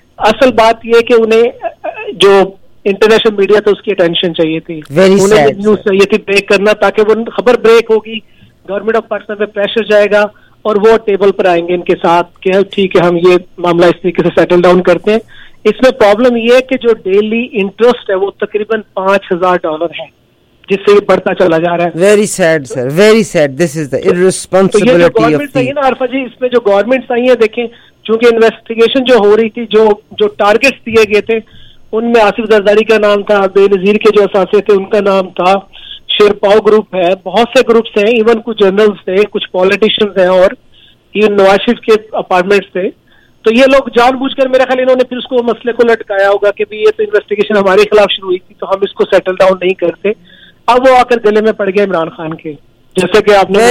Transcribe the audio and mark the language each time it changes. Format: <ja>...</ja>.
<ur>اصل بات یہ کہ انہیں جو انٹرنیشنل میڈیا تو اس کی اٹینشن چاہیے تھی, نیوز چاہیے تھی بریک کرنا, تاکہ وہ خبر بریک ہوگی, گورنمنٹ آف پاکستان پہ پریشر جائے گا اور وہ ٹیبل پر آئیں گے ان کے ساتھ کہ ٹھیک ہے ہم یہ معاملہ اس طریقے سے سیٹل ڈاؤن کرتے ہیں. اس میں پرابلم یہ ہے کہ جو ڈیلی انٹرسٹ ہے وہ تقریباً $5,000 ہے, جس سے یہ بڑھتا چلا جا رہا ہے.</ur> <en>Very sad sir, very sad, this is the irresponsibility of the government.</en> <ur>Arifa جی, اس میں جو گورنمنٹس آئی ہیں, دیکھیں چونکہ انویسٹیگیشن جو ہو رہی تھی, جو ٹارگیٹس دیے گئے تھے ان میں آصف زرداری کا نام تھا, بے نظیر کے جو اثاثے تھے ان کا نام تھا, شیر پاؤ گروپ ہے, بہت سے گروپس ہیں, ایون کچھ جنرلس تھے, کچھ پالیٹیشینس ہیں, اور ایون نواز شریف کے اپارٹمنٹس تھے, تو یہ لوگ جان بوجھ کر میرا خیال انہوں نے پھر اس کو مسئلے کو لٹکایا ہوگا کہ بھی یہ تو انویسٹیگیشن ہمارے خلاف شروع ہوئی تھی تو ہم اس کو سیٹل ڈاؤن نہیں کرتے, اب وہ آ کر گلے میں پڑ گئے عمران خان کے, جیسے کہ آپ نے</ur>